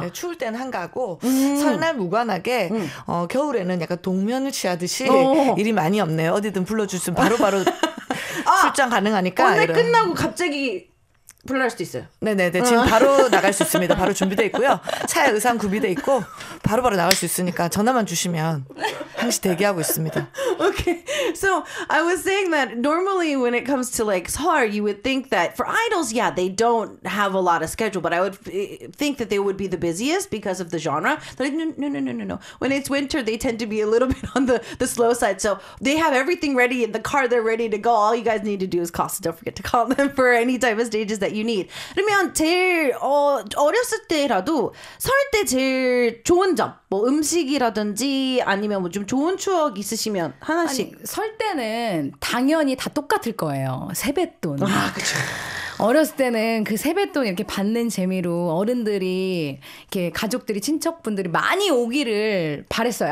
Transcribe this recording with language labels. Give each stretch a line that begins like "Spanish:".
Korean: 네, 추울 때는 한가하고 설날 무관하게 겨울에는 약간 동면을 취하듯이 일이 많이 없네요. 어디든 불러주시면 바로 출장 가능하니까. 오늘 이런. 끝나고 갑자기 불러갈 수도 있어요. 네네네. 지금 바로 나갈 수 있습니다. 바로 준비되어 있고요. 차에 의상 구비되어 있고 바로바로 바로 나갈 수 있으니까 전화만 주시면 항시 대기하고 있습니다.
English: Okay. So I was saying that normally when it comes to like SAR, you would think that for idols, yeah, they don't have a lot of schedule, but I would think that they would be the busiest because of the genre. They're like, no. When it's winter, they tend to be a little bit on the slow side. So they have everything ready in the car. They're ready to go. All you guys need to do is call. So don't forget to call them for any type of stages that you need.
Korean: 그러면 제일 어렸을 때라도 설 때 제일 좋은 점, 뭐 음식이라든지 아니면 뭐 좀 좋은 추억 있으시면 하나씩. 아니, 설 때는 당연히 다 똑같을 거예요. 세뱃돈. 아, 그쵸. 어렸을 때는 그 세뱃돈 이렇게 받는 재미로 어른들이 이렇게 가족들이 친척분들이 많이 오기를 바랬어요.